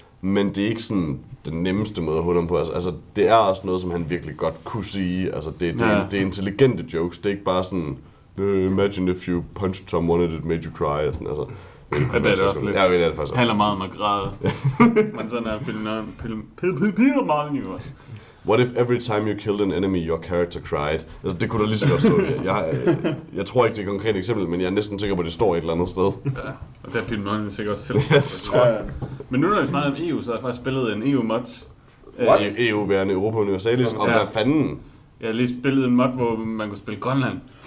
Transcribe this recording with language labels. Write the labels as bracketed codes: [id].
[da] Men det er ikke sådan den nemmeste måde at håne ham på. Altså, det er også noget, som han virkelig godt kunne sige. Altså, det er intelligente jokes. Det er ikke bare sådan, [en] imagine if you punched someone and it made you cry. [da] Og sådan, altså. Det er det også lidt. Ja, det handler meget om at græde. Men sådan er Peter Molyneux også. [en] What if every time you killed an enemy, your character cried? [da] Altså, det kunne da lige så godt stå. Jeg tror ikke, det er et konkret eksempel, men jeg er næsten sikker på, at det står et eller andet sted. Ja, og det har Peter Molyneux sikkert også selv. Ja, det tror jeg. Men nu, når vi snakker om EU, så har jeg faktisk spillet en EU-mod. EU værende Europa Universalis, og hvad fanden? Jeg har lige spillet en mod, hvor man kunne spille Grønland.